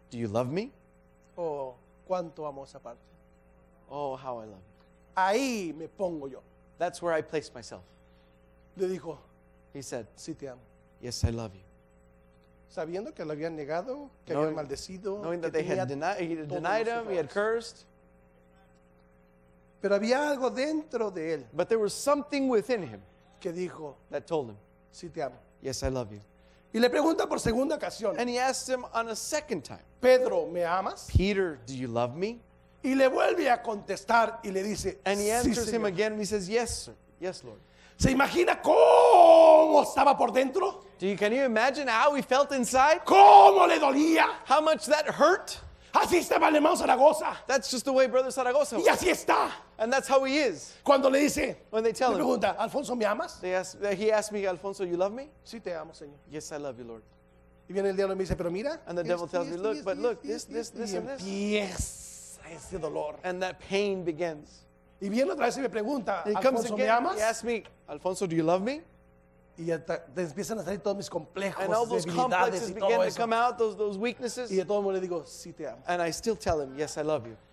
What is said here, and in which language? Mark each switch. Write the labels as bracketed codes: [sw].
[en] Do you love me? [es] Oh, cuánto amo esa parte. [en] Oh, how I love. [es] Ahí me pongo yo. [en] That's where I place myself. [es] Le dijo, [en] he said, [es] sí, te amo. [en] Yes, I love you. [es] Sabiendo que lo habían negado, que habían maldecido, [en] knowing that they had denied him, he had cursed. [es] Pero había algo dentro de él. [en] But there was something within him [es] que dijo, [en] that told him, [es] sí, te amo. [en] Yes, I love you. [es] Y le pregunta por segunda ocasión. [en] And he asked him on a second time, [es] Pedro, ¿me amas? [en] Peter, do you love me? [es] Y le vuelve a contestar y le dice, [en] and he answers [es] sí, [en] him again and he says, yes, sir. Yes, Lord. [es] ¿Se imagina cómo estaba por dentro? [en] Can you imagine how he felt inside? [es] ¿Cómo le dolía? [en] How much that hurt? [es] Así estaba el hermano Zaragoza. [en] That's just the way Brother Zaragoza was. [es] Y así está. [en] And that's how he is. [es] Cuando le dice, [en] when they tell [es] le pregunta, Alfonso, ¿me amas? [en] He asked me, Alfonso, you love me? [es] Sí, te amo, Señor. [en] Yes, I love you, Lord. [es] Y viene el diablo y me dice, pero mira. [en] And the devil tells me, look, this. [es] Y empieza ese dolor. [en] And that pain begins. [es] Y viene otra vez y me pregunta, Alfonso, ¿me amas? [en] He asks me, Alfonso, do you love me? [es] Y ya empiezan a salir todos mis complejos, [en] and all those complexes begin to come out, those weaknesses. [es] Y de todo modo le digo, sí, te amo. [en] And I still tell him, yes, I love you.